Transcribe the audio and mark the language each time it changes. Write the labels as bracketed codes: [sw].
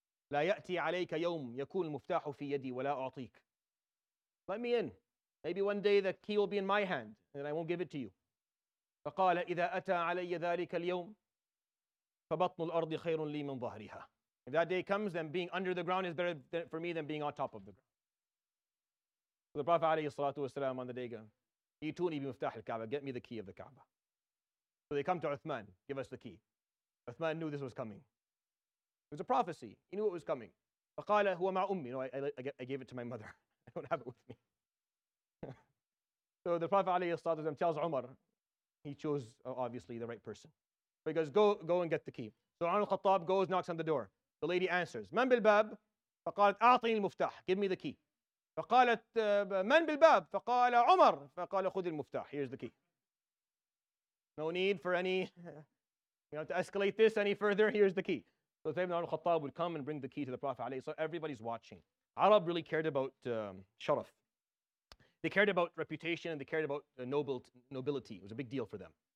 [ar] لا يأتي عليك يوم يكون المفتاح في يدي ولا أعطيك. [en] Let me in. Maybe one day the key will be in my hand and I won't give it to you. [ar] فقال إذا أتى علي ذلك اليوم فبطن الأرض خير لي من ظهرها. [en] If that day comes, then being under the ground is better for me than being on top of the ground. So the Prophet عليه الصلاة والسلام on the day came, [ar] يتوني بمفتاح الكعبة. [en] Get me the key of the Kaaba. So they come to Uthman. Give us the key. Uthman knew this was coming. It was a prophecy. He knew it was coming. [ar] فَقَالَ هُوَ مَعْ أُمِّي. [en] No, I gave it to my mother. I don't have it with me. So the Prophet ﷺ tells Umar, he chose, obviously, the right person. But he goes, go and get the key. So Umar al-Khattab goes, knocks on the door. The lady answers, [ar] مَنْ بِالْبَابِ فَقَالَتْ أَعْطِينِ الْمُفْتَحِ. [en] Give me the key. [ar] فقالت من بالباب فقال عمر فقال خذ المفتاح [en] here's the key. No need for any to escalate this any further. Here's the key. So Sayyidina Umar al-Khattab would come and bring the key to the Prophet عليه. So everybody's watching. Arab really cared about sharaf. They cared about reputation and they cared about nobility. It was a big deal for them.